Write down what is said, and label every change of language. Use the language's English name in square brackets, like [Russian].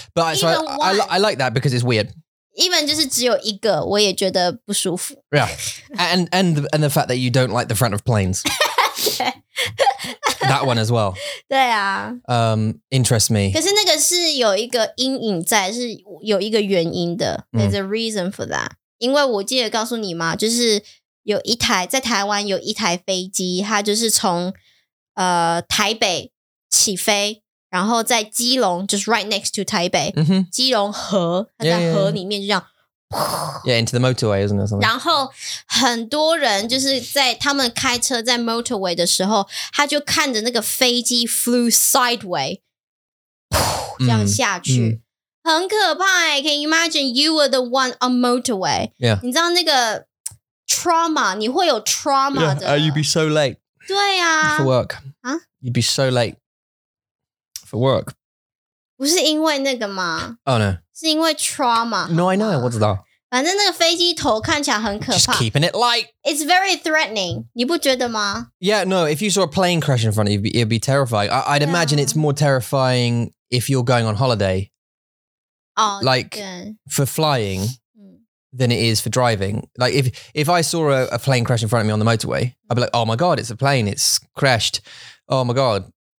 [English] But so I like that because it's weird. [Chinese] Even 就是只有一个，我也觉得不舒服。 [English] Yeah. And the fact that you don't like the front of planes. that one as well. [Chinese] 对啊。 [English] Interest me. [Chinese] 可是那个是有一个阴影在，是有一个原因的。 [English] There's a reason for that. [Chinese] 因为我记得告诉你嘛，就是有一台，在台湾有一台飞机，它就是从台北起飞，然后在基隆 [English] just right next to [Chinese] 台北、mm-hmm. 基隆河，它在河里面就这样 [English] Yeah, into the motorway, isn't it? Something? [Chinese] 然后很多人就是在他们开车在 motorway 的时候，他就看着那个飞机 [English] flew sideways [Chinese] 这样下去、mm-hmm. 很可怕耶 [English] Can you imagine you were the one on motorway? Yeah. [Chinese] 你知道那个 trauma, 你会有 trauma 的、 [English] yeah. You'd be so late [Chinese] 对啊 [English] for work、huh? You'd be so lateFor work. [Chinese] 不是因为那个吗? [English] Oh no. [Chinese] 是因为 trauma. [English] No, I know. [Chinese] 我知道。反正那个飞机头看起来很可怕。 [English] Just keeping it light. It's very threatening. [Chinese] 你不觉得吗? [English] Yeah, no. If you saw a plane crash in front of you, it'd be terrifying. I'd imagine it's more terrifying if you're going on holiday. Oh, like, for flying, than it is for driving. Like, if I saw a plane crash in front of me on the motorway, I'd be like, oh my God, it's a plane. It's crashed. Oh my God.